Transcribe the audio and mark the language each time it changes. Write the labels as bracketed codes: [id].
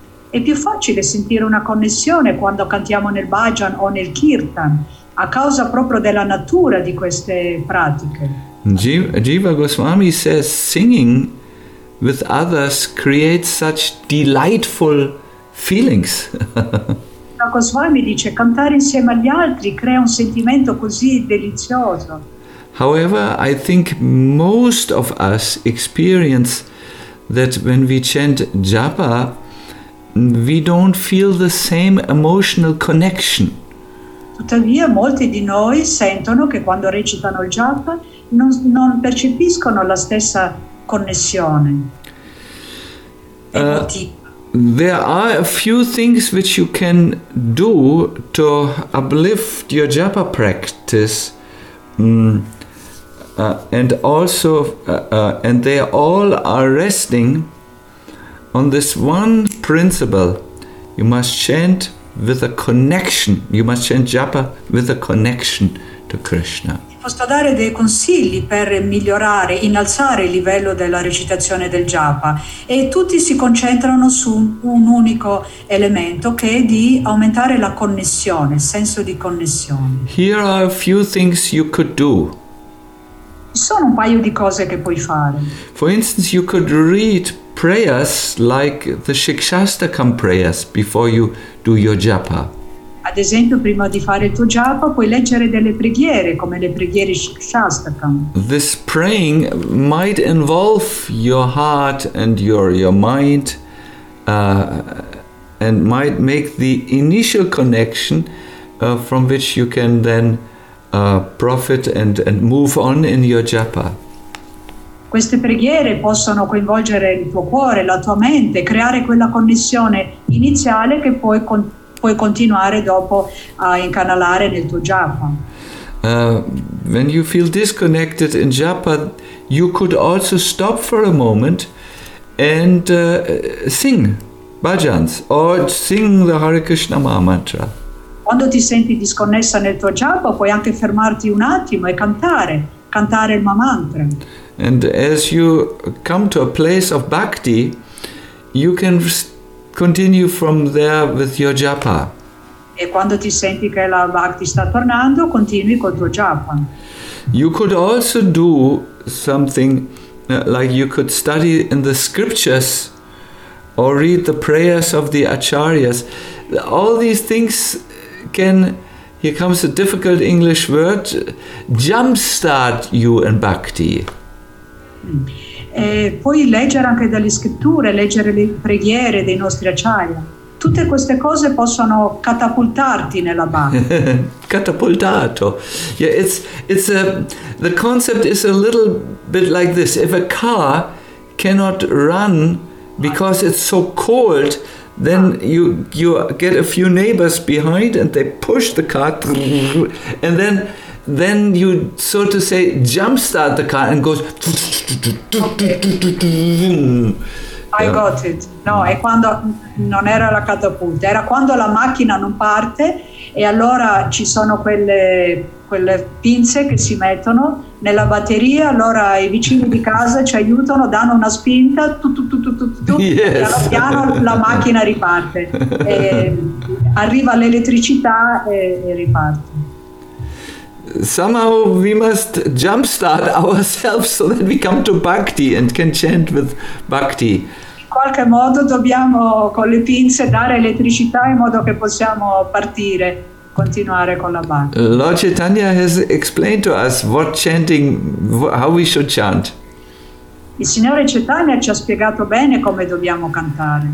[it] È più facile sentire una connessione quando cantiamo nel bhajan o nel kirtan a causa proprio della natura di queste pratiche. [en] Jiva Goswami says singing with others creates such delightful feelings. [it] Jiva Goswami dice cantare insieme agli altri crea un sentimento così delizioso. [en] However, I think most of us experience that when we chant japa, we don't feel the same emotional connection. [it] Tuttavia, molti di noi sentono che quando recitano il japa non percepiscono la stessa connessione. [en] There are a few things which you can do to uplift your japa practice, and also, and they all are resting on this one principle: you must chant with a connection. You must chant japa with a connection to Krishna. [it] Posso dare dei consigli per migliorare, innalzare il livello della recitazione del japa, e tutti si concentrano su un unico elemento, che è di aumentare la connessione, il senso di connessione. [en] Here are a few things you could do. [it] Ci sono un paio di cose che puoi fare. [en] For instance, you could read prayers like the Shikshastakam prayers before you do your japa. [it] ad esempio, prima di fare il tuo japa, puoi leggere delle preghiere, come le preghiere shastakam. [en] This praying might involve your heart and your mind, and might make the initial connection from which you can then profit and move on in your japa. [it] Queste preghiere possono coinvolgere il tuo cuore, la tua mente, creare quella connessione iniziale che puoi, puoi continuare dopo a incanalare nel tuo japa. [en] When you feel disconnected in japa, you could also stop for a moment and sing bhajans or sing the Hare Krishna mantra. [it] Quando ti senti disconnessa nel tuo japa, puoi anche fermarti un attimo e cantare il mantra. [en] And as you come to a place of bhakti, you can continue from there with your japa. [it] E quando ti senti che la bhakti sta tornando, continui col tuo japa. [en] You could also do something like you could study in the scriptures or read the prayers of the acharyas. All these things can, here comes a difficult English word, jumpstart you in bhakti. [it] E puoi leggere anche dalle scritture, leggere le preghiere dei nostri acharya. Tutte queste cose possono catapultarti nella bhakti. Catapultato. [en] Yeah, it's a, the concept is a little bit like this. If a car cannot run because it's so cold, then you get a few neighbors behind and they push the car and then you, so to say, jumpstart the car and goes. I got it. [it] No, è quando non era la catapulta, era quando la macchina non parte e allora ci sono quelle pinze che si mettono nella batteria, allora i vicini di casa ci aiutano, danno una spinta, [en] yes. [it] E piano la macchina riparte, e arriva l'elettricità e riparte. [en] Somehow we must jumpstart ourselves so that we come to bhakti and can chant with bhakti. [it] In qualche modo dobbiamo con le pinze dare elettricità in modo che possiamo partire, continuare con la bhakti. [en] Lord Chaitanya has explained to us what chanting, how we should chant. [it] Il Signore Chaitanya ci ha spiegato bene come dobbiamo cantare.